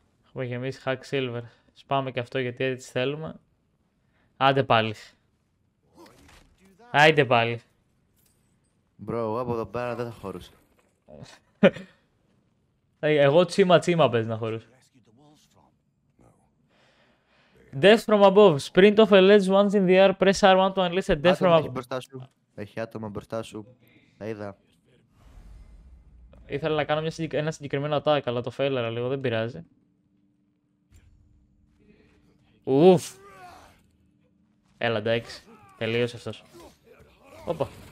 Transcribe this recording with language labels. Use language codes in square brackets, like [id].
[el] Έχουμε γεμίσει hack silver. Σπάμε και αυτό γιατί έτσι θέλουμε. Άντε πάλι. Άντε πάλι. Μπρο, εγώ από εδώ πέρα δεν θα χωρούσα. Εγώ τσίμα τσίμα πες να χωρούς. [en] Death from above. Sprint of a ledge once in the air. Press R1 to unleash a death from above. [el] Έχει άτομα μπροστά σου. Τα είδα. Ήθελα να κάνω ένα συγκεκριμένο attack, αλλά το φέλερα λίγο. Δεν πειράζει. Ουφ. Έλα εντάξει. Τελείωσε αυτός. Οπα.